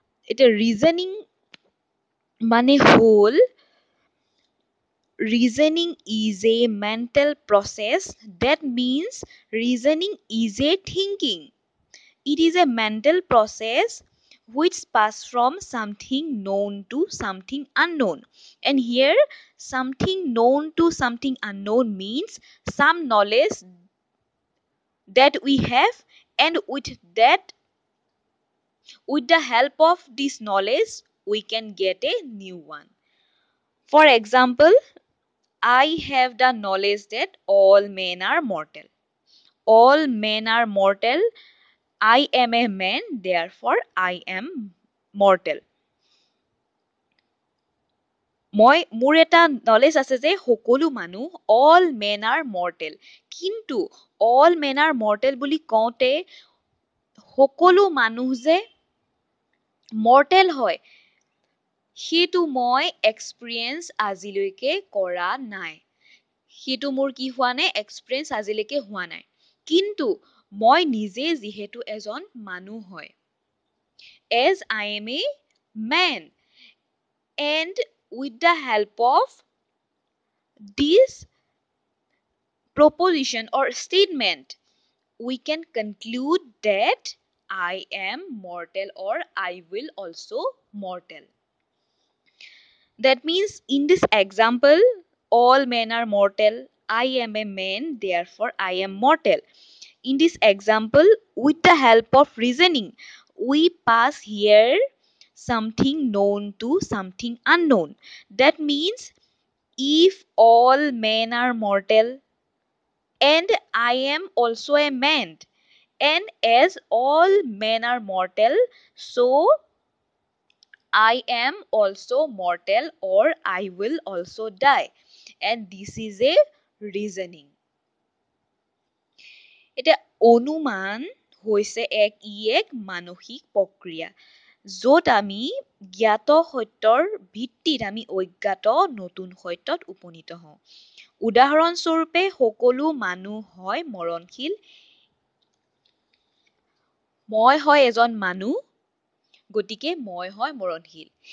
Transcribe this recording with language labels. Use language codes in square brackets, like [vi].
[as] এটা রিজনিং মানে হল, [en] Reasoning is a mental process, that means reasoning is a thinking, it is a mental process which pass from something known to something unknown, and here something known to something unknown means some knowledge that we have, and with that With the help of this knowledge, we can get a new one. For example, I have the knowledge that all men are mortal. All men are mortal. I am a man, therefore I am mortal. [as] মোৰ এটা knowledge আছে যে সকলো মানুহ, [en] all men are mortal, [as] কিন্তু all men R mortal বুলি কওঁতে সকলো মানুহ যে মৰ্টেল হয় সেইটো মই এক্সপিৰিয়েঞ্চ আজিলৈকে কৰা নাই, সেইটো মোৰ কি হোৱা নাই, এক্সপিৰিয়েঞ্চ আজিলৈকে হোৱা নাই, কিন্তু মই নিজে যিহেতু এজন মানুহ হয়, [en] as I am a man, and with the help of this [as] preposition or statement [en] We can conclude that I am mortal or I will also mortal. That means in this example, all men are mortal. I am a man, therefore I am mortal. In this example, with the help of reasoning, we pass here something known to something unknown. That means if all men are mortal and I am also a man, And as all men are mortal, so I am also mortal or I will also die. And this is a reasoning. [as] এটা অনুমান হৈছে এক ই এক মানসিক প্ৰক্ৰিয়া য'ত আমি জ্ঞাত সত্যৰ ভিত্তিত আমি অজ্ঞাত নতুন সত্যত উপনীত হওঁ। উদাহৰণস্বৰূপে সকলো মানুহ হয় মৰণশীল, মই হয় এজন মানুহ গতিকে মই হয় মৰণশীল।